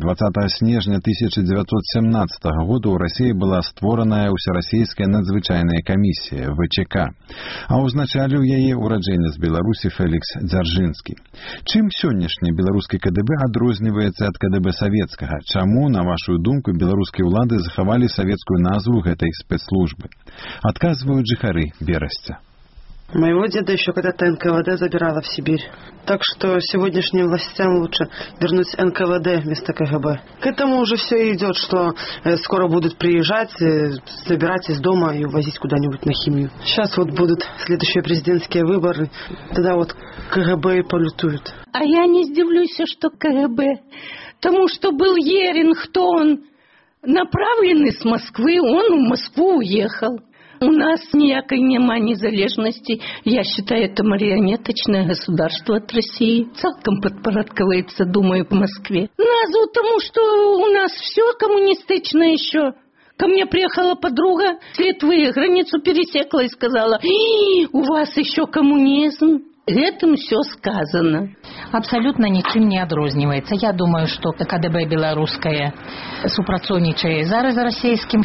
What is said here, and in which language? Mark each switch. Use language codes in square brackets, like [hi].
[be] 20 снежня 1917 года ў Расіі была створаная ўсерасійская надзвычайная камісія ВЧК, а ўзначаліў яе ўраджэнец Беларусі Фелікс Дзяржынскі. Чым сённяшні беларускі КДБ адрозніваецца ад КДБ савецкага? Чаму, на вашую думку, беларускія ўлады захавалі савецкую назву гэтай спецслужбы? Адказваюць жыхары Берасця. [ru] Моего деда еще когда-то НКВД забирала в Сибирь. Так что сегодняшним властям лучше вернуть НКВД вместо КГБ. К этому уже все идет, что скоро будут приезжать, забирать из дома и увозить куда-нибудь на химию. Сейчас вот будут следующие президентские выборы, тогда вот КГБ и полютуют. А я не удивлюсь, что КГБ, потому что был Ерин, кто он, направленный с Москвы, он в Москву уехал. [be] У нас ніякай няма незалежнасці. [ru] Я считаю, это марионеточное государство от России. [be] Цалкам подпарадкаваецца, думаю, [ru] в Москве. Назву тому, что у нас все коммунистично еще. Ко мне приехала подруга с Литвы, границу пересекла и сказала, у вас еще коммунизм. Этим все сказано. Абсолютно ничем не отрознивается. Я думаю, что КДБ белорусское супрацовничает зараз российским.